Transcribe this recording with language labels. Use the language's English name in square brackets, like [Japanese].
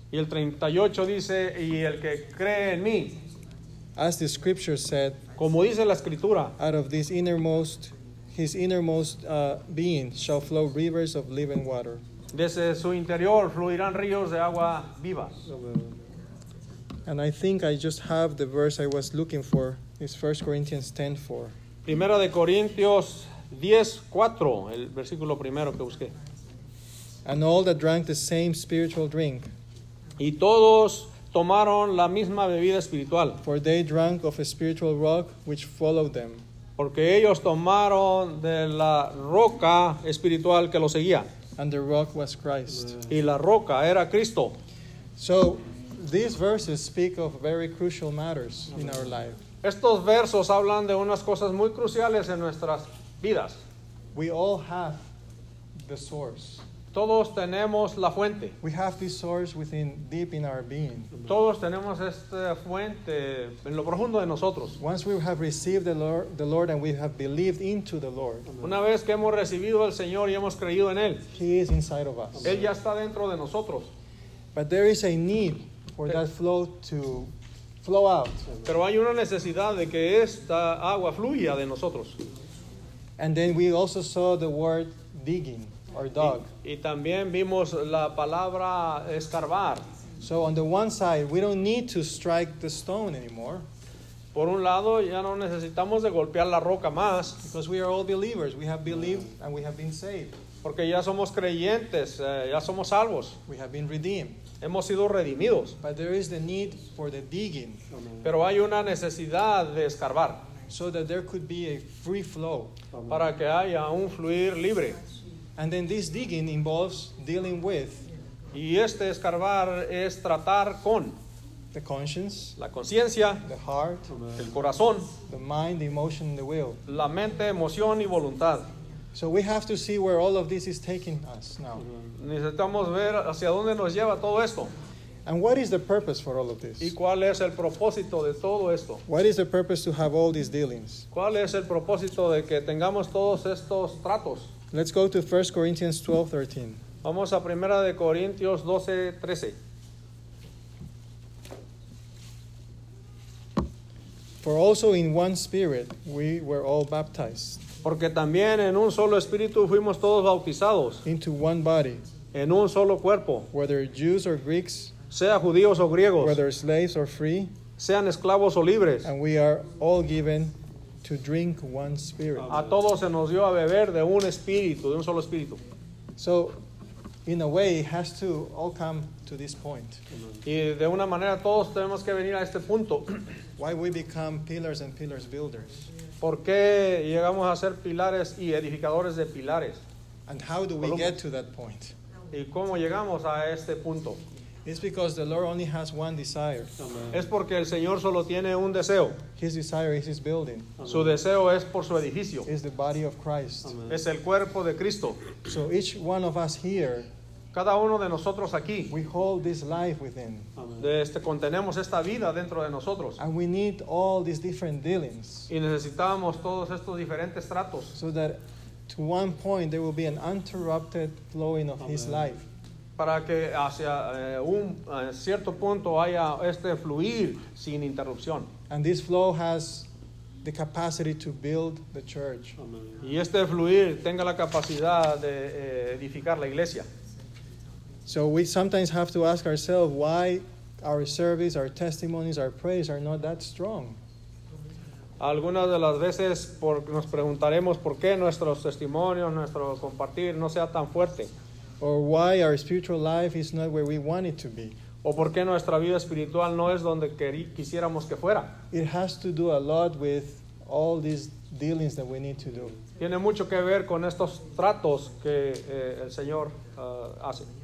[Spanish] y el 38 dice, y el que cree en mí, [English] as the scripture said, [Spanish] como dice la escritura, [English] out of this innermost, his innermost being shall flow rivers of living water. [Spanish] Desde su interior fluirán ríos de agua viva. [English] And I think I just have the verse I was looking for. It's 1 Corinthians 10:4. [Spanish] Primera de Corintios 10:4, el versículo primero que busqué. [English] And all that drank the same spiritual drink. [Spanish] Y todos tomaron la misma bebida espiritual. [English] For they drank of a spiritual rock which followed them. [Spanish] Porque ellos tomaron de la roca espiritual que los seguía. [English] And the rock was Christ. [Spanish] Y la roca era Cristo. [English] So these verses speak of very crucial matters in our life. [Spanish] Estos versos hablan de unas cosas muy cruciales en nuestras vidas. [English] We all have the source. [Spanish] Todos tenemos la fuente. [English] We have this source within, deep in our being. [Spanish] Todos tenemos esta fuente en lo profundo de nosotros. [English] Once we have received the Lord and we have believed into the Lord. [Spanish] Una vez que hemos recibido al Señor y hemos creído en Él. [English] He is inside of us. [Spanish] Él ya está dentro de nosotros. [English] But there is a need for that flow to flow out. [Spanish] Pero hay una necesidad de que esta agua fluya de nosotros. [English] And then we also saw the word digging. Or dog. [Spanish] Y también vimos la palabra escarbar. [English] So on the one side, we don't need to strike the stone anymore. [Spanish] Por un lado, ya no necesitamos de golpear la roca más. [English] Because we are all believers. We have believed and we have been saved. [Spanish] Porque ya somos creyentes, ya somos salvos. [English] We have been redeemed. [Spanish] Hemos sido redimidos. [English] But there is the need for the digging. [Spanish] Pero hay una necesidad de escarbar. [English] So that there could be a free flow. [Spanish] Para que haya un fluir libre. [English] And then this digging involves dealing with, [Spanish] y este escarbar es tratar con, [English] the conscience, [Spanish] la conciencia, [English] the heart, [Spanish] el corazón, [English] the mind, the emotion, the will, [Spanish] la mente, emoción y voluntad. [English] So we have to see where all of this is taking us now. [Spanish] Necesitamos ver hacia dónde nos lleva todo esto. [English] And what is the purpose for all of this? [Spanish] ¿Y cuál es el propósito de todo esto? [English] What is the purpose to have all these dealings? [Spanish] ¿Cuál es el propósito de que tengamos todos estos tratos? [English] Let's go to 1 Corinthians 12:13. [Spanish] Vamos a Primera de Corintios 12:13. [English] For also in one spirit we were all baptized. [Spanish] Porque también en un solo espíritu fuimos todos bautizados. [English] Into one body. [Spanish] En un solo cuerpo. [English] Whether Jews or Greeks. [Spanish] sea judíos o griegos, [English] whether slaves or free, [Spanish] sean esclavos o libres, [English] and we are all given to drink one spirit. [Spanish] A todos se nos dio a beber de un espíritu, de un solo espíritu. [English] So, in a way, it has to all come to this point. [Spanish] Y de una manera todos tenemos que venir a este punto. [English] Why we become pillars and pillars builders? [Spanish] ¿Por qué llegamos a ser pilares y edificadores de pilares? [English] And how do we get to that point? [Spanish] ¿Y cómo llegamos a este punto? [English] It's because the Lord only has one desire. [Spanish] Es porque el Señor solo tiene un deseo. [English] His desire is his building. [Spanish] Amen. Su deseo es por su edificio. [English] It's the body of Christ. [Spanish] Amen. Es el cuerpo de Cristo. [English] So each one of us here, [Spanish] cada uno de nosotros aquí, [English] we hold this life within. [Spanish] Contenemos esta vida dentro de nosotros. [English] And we need all these different dealings. [Spanish] Y necesitamos todos estos diferentes tratos. [English] So that to one point there will be an uninterrupted flowing of, amen, his life. [Spanish] Para que hacia cierto punto haya este fluir sin interrupción. [English] And this flow has the capacity to build the church. [Spanish] Y este fluir tenga la capacidad de edificar la iglesia. [English] So we sometimes have to ask ourselves why our service, our testimonies, our praise are not that strong. [Spanish] Algunas de las veces nos preguntaremos por qué nuestros testimonios, nuestro compartir no sea tan fuerte. [English] Or why our spiritual life is not where we want it to be. [Spanish] O por qué nuestra vida espiritual no es donde quisiéramos que fuera. [English] It has to do a lot with all these dealings that we need to do. [Spanish] Tiene mucho que ver con estos tratos que el Señor hace.